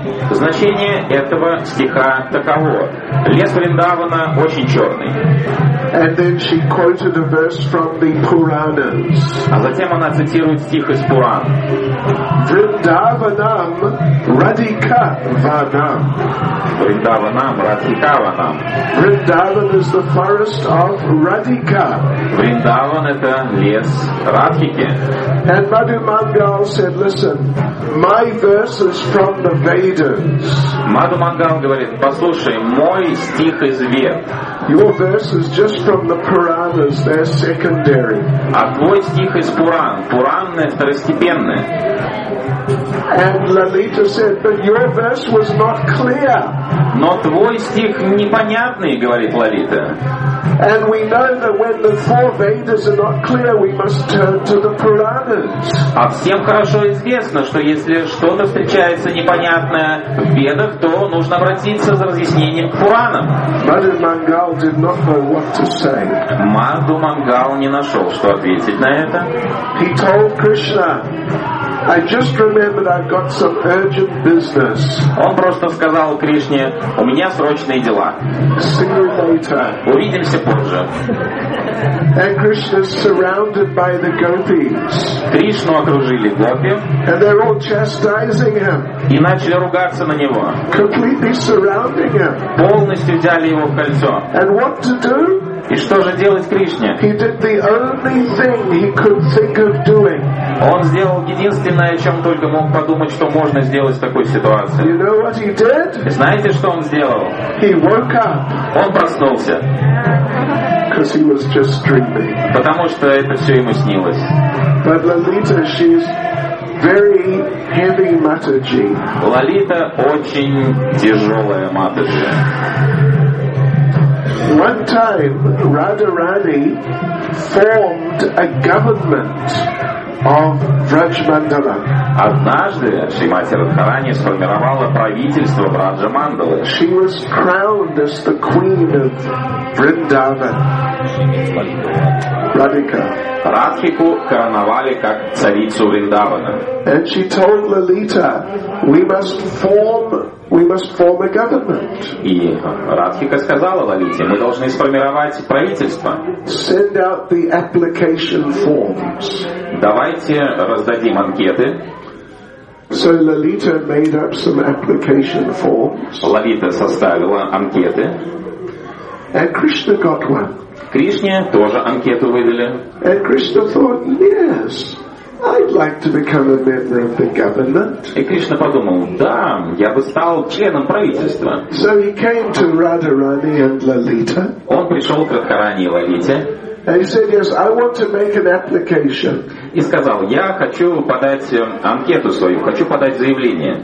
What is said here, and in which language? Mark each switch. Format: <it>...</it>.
<ru>Значение этого стиха таково. Лес Вриндавана очень черный.</ru> <en>And then she quoted a verse from the Puranas.</en> <ru>А затем она цитирует стих из Пуран.</ru> <sa>Vrindavanam Radhika Vanam. Vrindavanam Radhika Vanam.</sa> <en>Vrindavan is the forest of Radhika.</en> <ru>Vrindavan это лес Радхики.</ru> <en>And Madhu Mangal said, listen, my verse is from the Vedas.</en> <ru>Madhu Mangal говорит, послушай, мой стих из Вед.</ru> <en>Your verse is just from the Puranas, they're secondary.</en> <ru>А твой стих из Пуран, Пуранное второстепенное.</ru> <en>And Lalita said, but your verse was not clear.</en> <ru>Но твой стих непонятный, говорит Лалита.</ru> <en>And we know that when the four Vedas are not clear, we must turn to the Puranas.</en> <ru>А всем хорошо известно, что если что-то встречается непонятное в Ведах, то нужно обратиться за разъяснением к Пуранам.</ru> <en>Madhu Mangal did not know what to say.</en> <ru>Madhu Mangal не нашел, что ответить на это.</ru> <en>He told Krishna, I just remembered I've got some urgent business.</en> <ru>Он просто сказал Кришне, у меня срочные дела.</ru> <en>See you later.</en> <ru>Увидимся позже.</ru> <en>And Krishna is surrounded by the gopis.</en> <ru>Кришну окружили гопи.</ru> <en>And they're all chastising him.</en> <ru>И начали ругаться на него.</ru> <en>Completely surrounding him.</en> <ru>Полностью взяли его в кольцо.</ru> <en>And what to do?</en> <ru>И что же делать Кришне?</ru> <en>He did the only thing he could think of doing.</en> <ru>Он сделал единственное, о чем только мог подумать, что можно сделать в такой ситуации.</ru> <en>You know what he did?</en> <ru>Знаете, что он сделал?</ru> <en>He woke up.</en> <ru>Он проснулся.</ru> <en>Because he was just dreaming.</en> <ru>Потому что это все ему снилось.</ru> <en>But Lalita, she's very heavy Mataji.</en> <ru>Лалита очень тяжелая Матаджи.</ru> <en>One time Radharani formed a government of Vrajmandala.</en> <ru>Однажды Шримати Радхарани сформировала правительство Враджа-мандалы.</ru> <en>She was crowned as the queen of Vrindavan. Radhika.</en> <ru>Радхику короновали как царицу Вриндавана.</ru> <en>And she told Lalita, we must form a government.</en> <ru>И Радхика сказала Лалите, мы должны сформировать правительство.</ru> <en>Send out the application forms.</en> <ru>Давайте раздадим анкеты.</ru> <en>So Lalita made up some application forms.</en> <ru>Лалита составила анкеты.</ru> <en>And Krishna got one.</en> <ru>Кришне тоже анкету выдали.</ru> <en>And Krishna thought, yes, I'd like to become a member of the government.</en> <ru>И Кришна подумал, да, я бы стал членом правительства.</ru> <en>So he came to Radharani and Lalita.</en> <ru>Он пришел к Радхарани и Лалите.</ru> <en>And he said, yes, I want to make an application.</en> <ru>И сказал, я хочу подать анкету свою, хочу подать заявление.</ru>